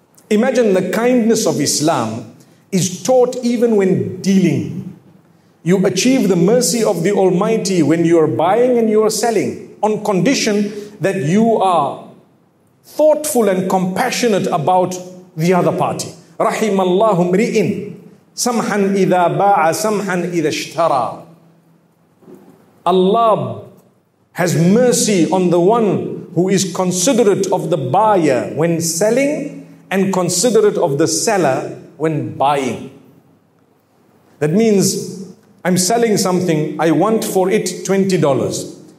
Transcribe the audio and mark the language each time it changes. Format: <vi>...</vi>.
<en>Imagine the kindness of Islam is taught even when dealing. You achieve the mercy of the Almighty when you are buying and you are selling, on condition that you are thoughtful and compassionate about the other party.</en> <ar>رحم الله امرئ سمحا إذا باع سمحا إذا اشترى.</ar> <en>Allah has mercy on the one who is considerate of the buyer when selling and considerate of the seller when buying. That means I'm selling something, I want for it $20.</en>